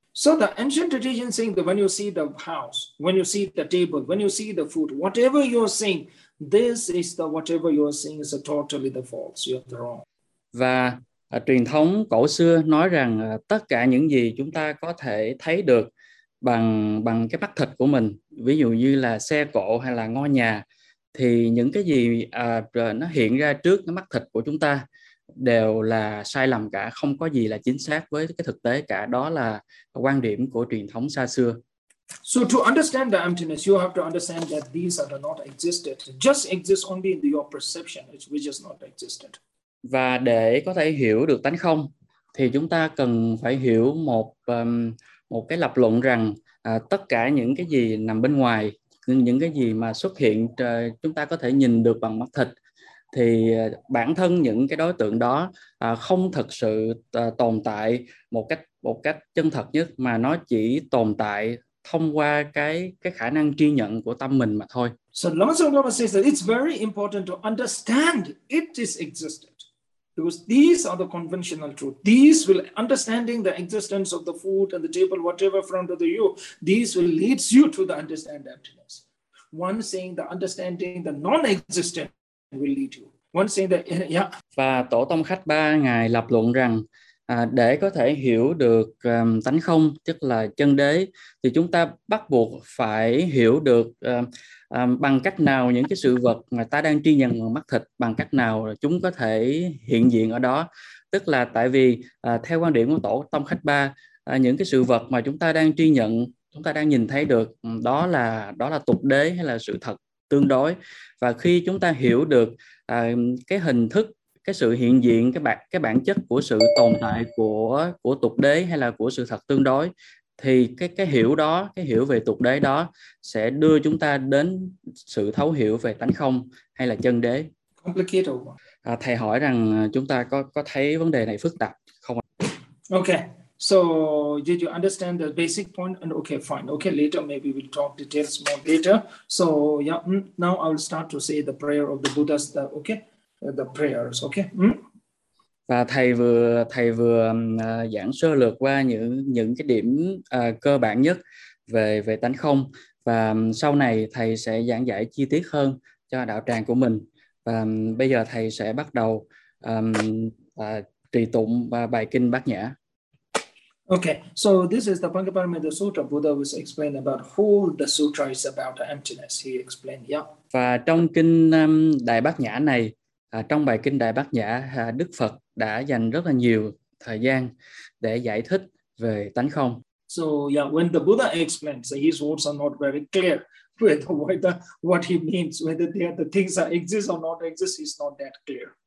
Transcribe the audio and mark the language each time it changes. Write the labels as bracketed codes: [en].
[en] So the ancient tradition saying that when you see the house, when you see the table, when you see the food, whatever you are seeing, this is the whatever you are seeing is a totally the false, you are wrong. [vi] Và truyền thống cổ xưa nói rằng tất cả những gì chúng ta có thể thấy được bằng cái mắt thịt của mình, ví dụ như là xe cộ hay là ngôi nhà, thì những cái gì nó hiện ra trước cái mắt thịt của chúng ta đều là sai lầm cả, không có gì là chính xác với cái thực tế cả, đó là quan điểm của truyền thống xa xưa. [en] So to understand the emptiness, you have to understand that these are not existed, just exist only in your perception, which is not existed. [vi] Và để có thể hiểu được tánh không thì chúng ta cần phải hiểu một cái lập luận rằng tất cả những cái gì nằm bên ngoài, những cái gì mà xuất hiện chúng ta có thể nhìn được bằng mắt thịt thì bản thân những cái đối tượng đó không thực sự tồn tại một cách chân thật nhất, mà nó chỉ tồn tại thông qua cái khả năng tri nhận của tâm mình mà thôi. [en] So Lawrence Livermore says that it's very important to understand it is existent. Because these are the conventional truth. These will, understanding the existence of the food and the table, whatever front of you, these will lead you to the understand emptiness. One saying the understanding the non-existent will lead you. One saying that, yeah. [vi] Và Tổ Tông Khách Ba Ngài lập luận rằng để có thể hiểu được tánh không, tức là chân đế, thì chúng ta bắt buộc phải hiểu được bằng cách nào những cái sự vật mà ta đang tri nhận bằng mắt thịt, bằng cách nào chúng có thể hiện diện ở đó. Tức là tại vì theo quan điểm của Tổ Tông Khách Ba, những cái sự vật mà chúng ta đang tri nhận, chúng ta đang nhìn thấy được, đó là tục đế hay là sự thật tương đối. Và khi chúng ta hiểu được cái hình thức, cái sự hiện diện, cái bản chất của sự tồn tại của tục đế hay là của sự thật tương đối, thì cái hiểu đó, cái hiểu về tục đế đó sẽ đưa chúng ta đến sự thấu hiểu về tánh không hay là chân đế. Thầy hỏi rằng chúng ta có thấy vấn đề này phức tạp không? [en] Okay, so did you understand the basic point? And okay, fine. Okay, later maybe we'll talk details more later. So yeah, now I'll start to say the prayer of the Buddhas. Okay. The prayers, okay? Mm? [vi] Và thầy vừa giảng sơ lược qua những cái điểm cơ bản nhất về tánh không, và sau này thầy sẽ giảng giải chi tiết hơn cho đạo tràng của mình. Và bây giờ thầy sẽ bắt đầu trì tụng bài kinh Bát Nhã. [en] Okay, so this is the Pankapanamitta Sutra. Buddha was explaining about who the sutra is about, emptiness. He explained, yeah. [vi] Và trong kinh Đại Bát Nhã này, trong bài kinh Đại Bát Nhã, Đức Phật đã dành rất là nhiều thời gian để giải thích về tánh không. [en] So yeah, when the Buddha explains, his words are not very clear whether what he means, whether the things are exist or not exist, is not that clear.